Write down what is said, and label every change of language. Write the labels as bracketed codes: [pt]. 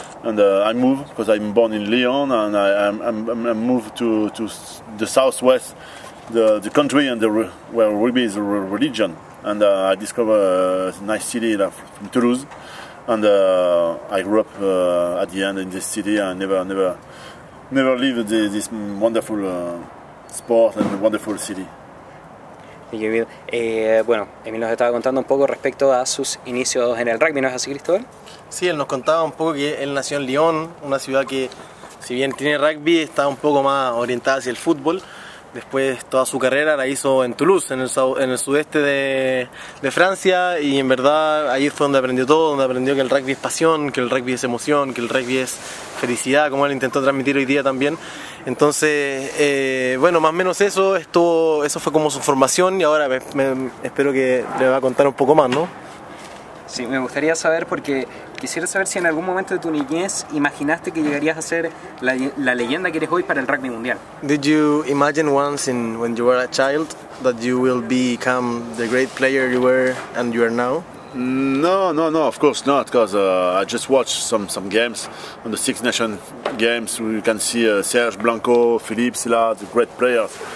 [en] And I moved because I'm born in Lyon, and I moved to the southwest, the country, and where rugby is a religion. And I discovered a nice city from Toulouse, and I grew up at the end in this city. I never lived this wonderful sport and wonderful city. [es] Bueno, Emil nos estaba contando un poco respecto a sus inicios en el rugby, ¿no es así, Cristóbal? Sí, él nos contaba un poco que él nació en Lyon, una ciudad que, si bien tiene rugby, está un poco más orientada hacia el fútbol. Después toda su carrera la hizo en Toulouse, en el sudeste de Francia, y en verdad ahí fue donde aprendió todo, donde aprendió que el rugby es pasión, que el rugby es emoción, que el rugby es felicidad, como él intentó transmitir hoy día también. Entonces, bueno, más o menos eso fue como su formación, y ahora me espero que le va a contar un poco más, ¿no? Sí, me gustaría saber, porque quisiera saber si en algún momento de tu niñez imaginaste que llegarías a ser la leyenda que eres hoy para el rugby mundial. [en] Did you imagine once when you were a child that you will become the great player you were and you are now? No, of course not, because I just watched some games on the Six Nations games. You can see Serge Blanco, Philippe Sillard, great players.